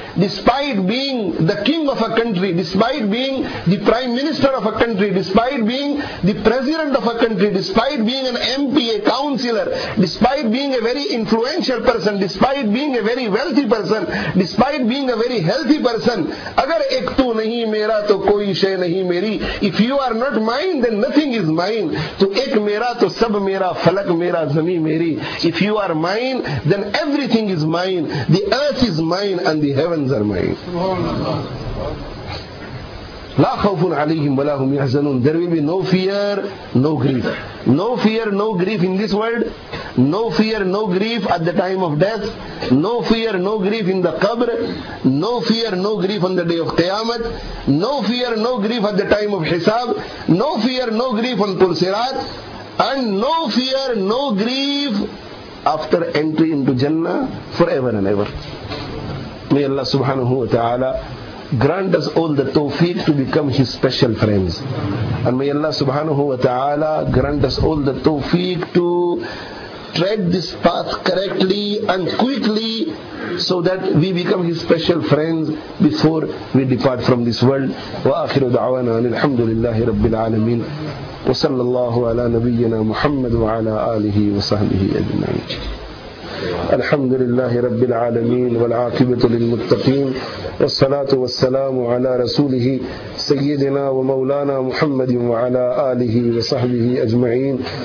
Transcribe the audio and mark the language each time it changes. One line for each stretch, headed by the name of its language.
English: Despite being the king of a country, despite being the prime minister of a country, despite being the president of a country, despite being an MP, a councillor, despite being a very influential person, despite being a very wealthy person, despite being a very healthy person,
Urdu: اگر ایک تو نہیں میرا تو کوئی شے نہیں میری.
English: If you are not mine, then nothing is mine.
Urdu: تو ایک میرا تو سب میرا, فلک میرا, زمین میری.
English: If you are mine, then everything is mine. The earth is mine and the heavens are mine.
Arabic: لا خوفٌ عليهم ولا هم يحزنون.
English: There will be no fear, no grief. No fear, no grief in this world. No fear, no grief at the time of death. No fear, no grief in the qabr. No fear, no grief on the day of qiyamah. No fear, no grief at the time of hisab. No fear, no grief on Qul Sirat. And no fear, no grief after entry into Jannah forever and ever. May Allah subhanahu wa ta'ala grant us all the tawfiq to become His special friends. And may Allah subhanahu wa ta'ala grant us all the tawfiq to tread this path correctly and quickly, so that we become His special friends before we depart from this world.
Arabic: Wa akhiru da'wana alhamdulillahi rabbil alameen. وصلى الله على نبينا محمد وعلى آله وصحبه أجمعين. الحمد لله رب العالمين والعاقبة للمتقين والصلاة والسلام على رسوله سيدنا ومولانا محمد وعلى آله وصحبه أجمعين.